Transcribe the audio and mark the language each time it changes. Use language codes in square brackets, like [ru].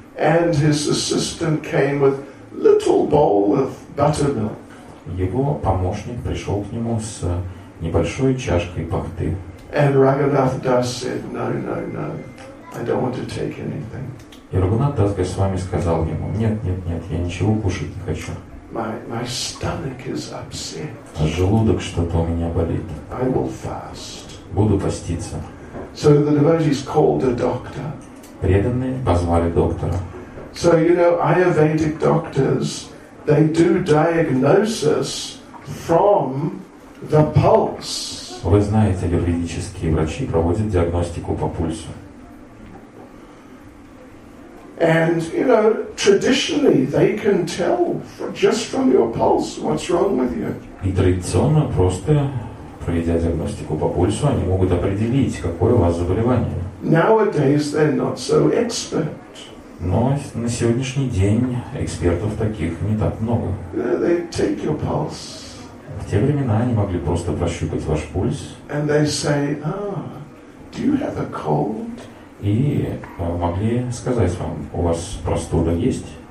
[en] And his assistant came with little bowl of buttermilk. [ru] Его помощник пришел к нему с небольшой чашкой пахты. [en] And Raghunath Das said, "No, no, no, I don't want to take anything." [ru] И Рагунат Дас Госвами сказал ему: "Нет, нет, нет, я ничего кушать не хочу." [en] My stomach is upset. [ru] А желудок что-то у меня болит. [en] I will fast. [ru] Буду поститься. [en] So the devotees called a doctor. [ru] Преданные позвали доктора. [en] So you know, Ayurvedic doctors, they do diagnosis from the pulse. [ru] Вы знаете, аюрведические врачи проводят диагностику по пульсу. [en] And you know, traditionally, they can tell just from your pulse what's wrong with you. [ru] И традиционно просто проведя диагностику по пульсу, они могут определить, какое у вас заболевание. [en] Nowadays they're not so expert. [ru] Но на сегодняшний день экспертов таких не так много. [en] They take your pulse. [ru] В те времена они могли просто прощупать ваш пульс. [en] And they say, "Ah, do you have a cold?" [ru] и могли сказать вам, у вас простуда есть?